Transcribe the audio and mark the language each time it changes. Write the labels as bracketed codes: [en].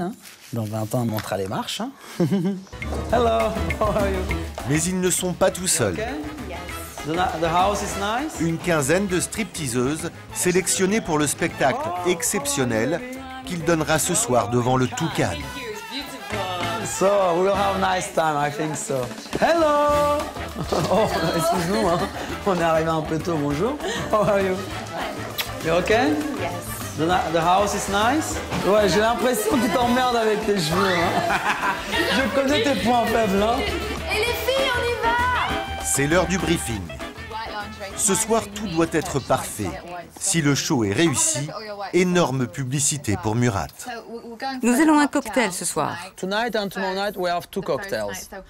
[fr] Hein. Dans 20 ans, elle montera les marches. [en] Hein. Hello, how are you? [fr] Mais ils ne sont pas tout seuls. [en] The house is nice. [fr] Une quinzaine de stripteaseuses sélectionnées pour le spectacle exceptionnel qu'il donnera ce soir devant le Toucan. [en] So, we'll have a nice time, I think so. Hello! [fr] Oh, excuse-nous, hein. On est arrivé un peu tôt, bonjour. [en] How are you? You okay? Yes. The house is nice? [fr] Ouais, j'ai l'impression que tu t'emmerdes avec tes cheveux. Hein. Je connais tes points faibles, hein. Et les filles, on y va! C'est l'heure du briefing. Ce soir, tout doit être parfait. Si le show est réussi, énorme publicité pour Murat. Nous allons à un cocktail ce soir. [en] Tonight and tomorrow night, we have two cocktails.